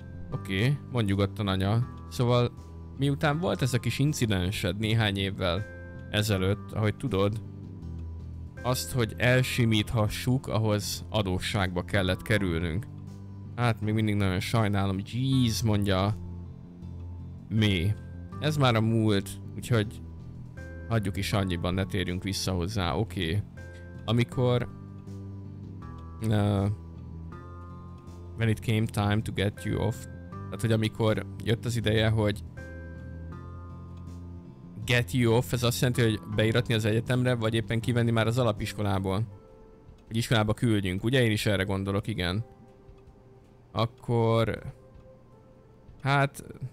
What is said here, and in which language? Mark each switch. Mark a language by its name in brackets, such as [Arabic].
[Hungarian] oké, mondj nyugodtan, anya. Szóval, miután volt ez a kis incidensed néhány évvel ezelőtt, ahogy tudod, azt, hogy elsimíthassuk, ahhoz adósságba kellett kerülnünk. Hát, még mindig nagyon sajnálom, jeez, mondja... mi? Ez már a múlt, úgyhogy... hagyjuk is annyiban, ne térjünk vissza hozzá, oké. Amikor... [English] when it came time to get you off... [Hungarian] tehát, hogy amikor jött az ideje, hogy... [English] get you off, [Hungarian] ez azt jelenti, hogy beiratni az egyetemre, vagy éppen kivenni már az alapiskolából. Hogy iskolába küldjünk, ugye? Én is erre gondolok, igen. Akkor... hát...